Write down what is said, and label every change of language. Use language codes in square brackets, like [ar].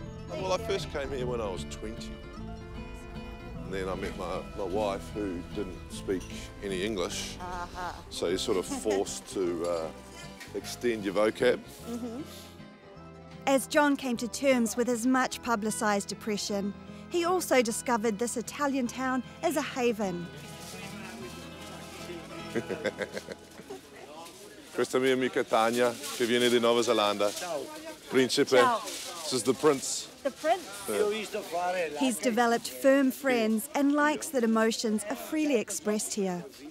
[en] Well, I first came here when I was 20. And then I met my wife, who didn't speak any English. Uh-huh. So you're sort of forced to extend your vocab. Mm-hmm. As John came to terms with his much publicised depression, he also discovered this Italian town as a haven. [it] Questa mia amica Tania, che viene di Nuova Zelanda. [en] Principe. This is the prince. The prince. He's developed firm friends and likes that emotions are freely expressed here.